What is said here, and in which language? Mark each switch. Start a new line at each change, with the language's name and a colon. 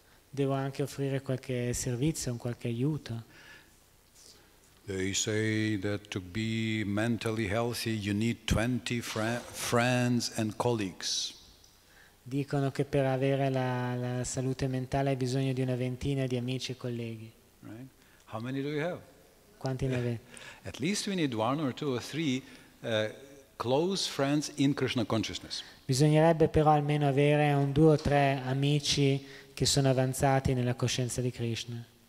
Italian: Devo anche offrire qualche servizio, un qualche aiuto.
English: They say that to be mentally healthy you need 20 friends and colleagues.
Italian: Dicono che per avere la salute mentale hai bisogno di una ventina di amici e colleghi.
English: Right. How many do you have?
Italian: quanti ne avete?
English: At least we need one or two or three close friends in Krishna consciousness.
Italian: Bisognerebbe però almeno avere un due o tre amici che sono avanzati nella coscienza di Krishna.